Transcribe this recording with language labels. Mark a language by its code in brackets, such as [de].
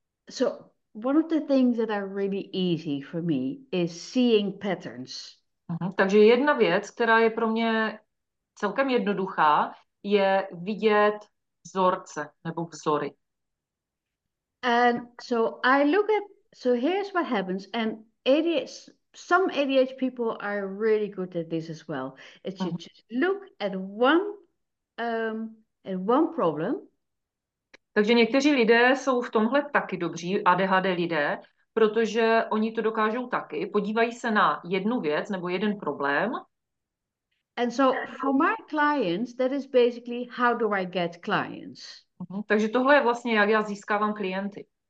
[en] So one of the things that are really easy for me is seeing patterns. [cs] Takže jedna věc, která je pro mě celkem jednoduchá, je vidět vzorce nebo vzory. [en] And so I look at, so here's what happens. And some ADHD people are really good at this as well. It's you just look at one problem. [cs] Takže někteří lidé jsou v tomhle taky dobří, ADHD lidé, protože oni to dokážou taky. Podívají se na jednu věc nebo jeden problém. [en] And so for my clients, that is basically how do I get clients? [cs] Takže tohle je vlastně, jak já získávám klienty.